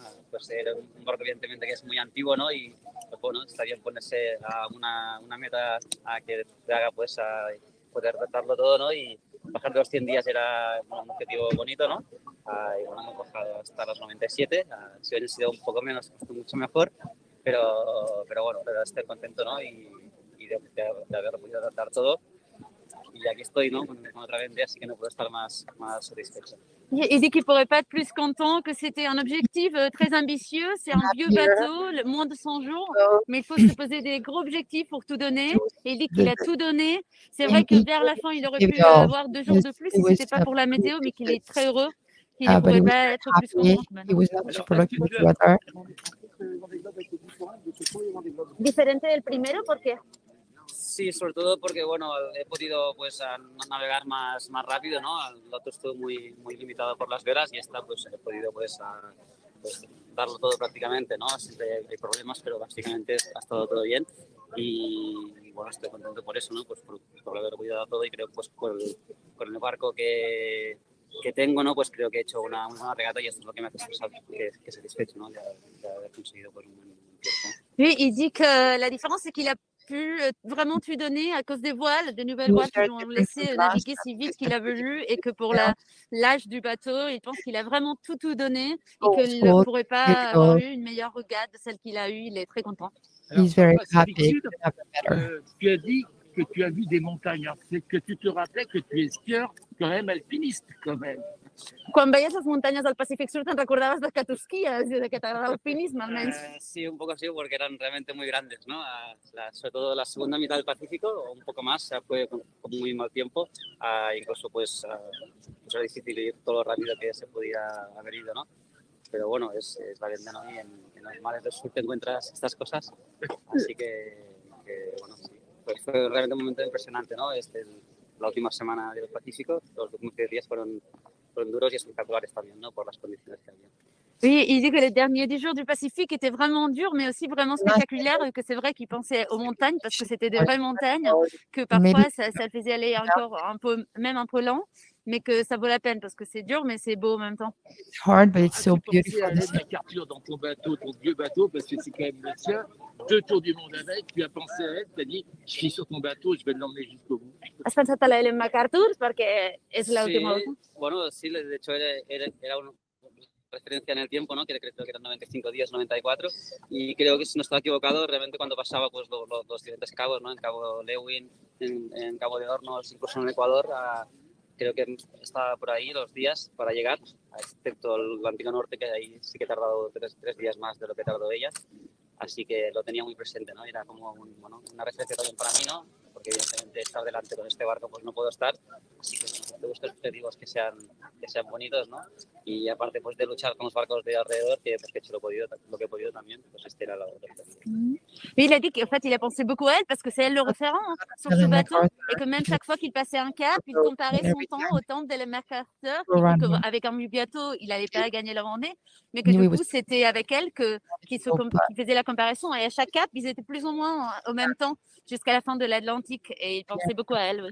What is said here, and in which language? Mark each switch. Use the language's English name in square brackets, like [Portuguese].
[Spanish] Pues era un barco, evidentemente, que es muy antiguo, ¿no? Y bueno, está bien ponerse a una meta a que te haga, pues, a poder tratarlo todo, ¿no? Y bajar de los 100 días era un objetivo bonito, ¿no? Y bueno, hemos bajado hasta los 97. Si hubiera sido un poco menos, mucho mejor. Pero bueno, de estar contento, ¿no? Y de haber podido tratar todo. Y aquí estoy, ¿no? Con otra Vendée, así que no puedo estar más satisfecho. [French] Il dit qu'il ne pourrait pas être plus content, que c'était un objectif très ambitieux. C'est un vieux bateau, moins de 100 jours, mais il faut se poser des gros objectifs pour tout donner. Il dit qu'il a tout donné. C'est vrai que vers la fin, il aurait pu avoir deux jours de plus si ce n'était pas pour la météo, mais qu'il est très heureux. Il ne pourrait pas être plus content. Il était super heureux avec le bateau. [Spanish] ¿Diferente del primero? ¿Por qué? Sí, sobre todo porque bueno, he podido pues navegar más rápido, ¿no? El otro estuvo muy limitado por las velas y esta pues he podido pues darlo todo prácticamente, ¿no? Siempre hay problemas, pero básicamente ha estado todo bien. Y bueno, estoy contento por eso, ¿no? Pues por haber cuidado todo y creo pues por el barco que tengo, ¿no? Pues creo que he hecho una regata y esto es lo que me hace que satisfecho, ¿no? De haber conseguido pues un buen tiempo. [French] Oui, il dit que la différence c'est qu'il a pu vraiment pu donner à cause des voiles, des nouvelles voiles qui l'ont laissé naviguer si vite qu'il a voulu et que pour l'âge du bateau, il pense qu'il a vraiment tout donné et qu'il ne pourrait pas avoir eu une meilleure regate de celle qu'il a eue. Il est très content. [English] He's very happy. [French] Tu as dit que tu as vu des montagnes. C'est que tu te rappelles que tu es skieur quand même alpiniste quand même. [Catalan] Quan veies les muntanyes del Pacífic Sud, te'n recordaves de que tu esquies i de que t'agrada l'alpinisme, almenys? [Spanish] Sí, un poco así, porque eran realmente muy grandes, ¿no? Sobretot la segunda mitad del Pacífico, o un poco más, fue con muy mal tiempo, incluso pues era difícil ir todo lo rápido que se podía haber ido, ¿no? Pero bueno, es la Vendée, ¿no? Y en los mares del sur te encuentras estas cosas, así que bueno, sí. Pues fue realmente un momento impresionante, ¿no? La última semana del Pacífico, los últimos 10 días fueron duros y espectaculares también, ¿no? Por las condiciones que había. [French] Oui, il dit que les derniers 10 jours du Pacifique étaient vraiment durs, mais aussi vraiment spectaculaires, et que c'est vrai qu'il pensait aux montagnes, parce que c'était des vraies montagnes, que parfois ça le faisait aller encore un peu, même un peu lent, mais que ça vaut la peine, parce que c'est dur, mais c'est beau en même temps. [English] It's hard, but it's so beautiful. [French] Tu pensais à mettre la carture dans ton bateau, ton vieux bateau, parce que c'est quand même le sien, deux tours du monde avec, tu as pensé à elle, tu as dit, je suis sur ton bateau, je vais l'emmener jusqu'au bout. [Catalan] Has pensat a l'Ellen MacArthur, perquè és l'última volta? [Spanish] Bueno, sí, de hecho era un... referencia en el tiempo, ¿no? Que creo que eran 95 días, 94, y creo que si no estaba equivocado, realmente cuando pasaba pues los diferentes cabos, ¿no? En Cabo Lewin, en Cabo de Hornos, incluso en el Ecuador, creo que estaba por ahí los días para llegar, excepto el Atlántico Norte, que ahí sí que ha tardado tres días más de lo que tardó ella, así que lo tenía muy presente, ¿no? Era como una referencia también para mí, ¿no? Porque evidentemente estar delante con este barco pues no puedo estar, así que me gusta los objetivos que sean bonitos, ¿no? Y aparte pues de luchar con los barcos de alrededor, que pues que he hecho lo que he podido también, pues este era la otra. Mm-hmm. [French] Il a dit qu'en fait il a pensé beaucoup à elle parce que c'est elle le référent sur ce bateau et que même chaque fois qu'il passait un cap, il comparait son temps au temps de la MacArthur, avec un vieux bateau il n'allait pas gagner la Vendée, mais que du coup c'était avec elle qu'il faisait la comparaison et à chaque cap ils étaient plus ou moins au même temps jusqu'à la fin de l'Atlantique et il pensait beaucoup à elle.